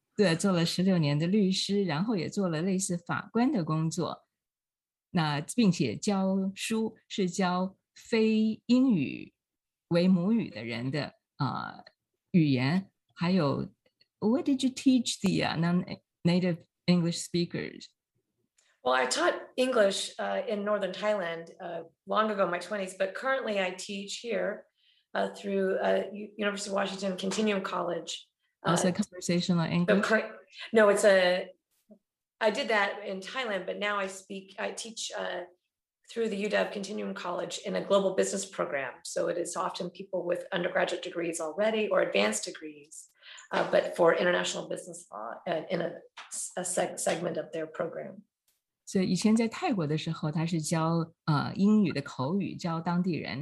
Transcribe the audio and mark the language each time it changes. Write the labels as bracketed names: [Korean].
[Chinese] 对，做了16年的律师，然后也做了类似法官的工作。那并且教书，是教非英语为母语的人的语言，还有。 [English] What did you teach the non-native English speakers? Well, I taught English in Northern Thailand long ago in my 20s, but currently I teach here through University of Washington Continuum College. Also conversational English? No, it's I did that in Thailand, but now I teach through the UW Continuum College in a global business program. So it is often people with undergraduate degrees already or advanced degrees. But for international business law in a segment of their program. [Chinese] So 以前在泰国的时候，他是教英语的口语，教当地人。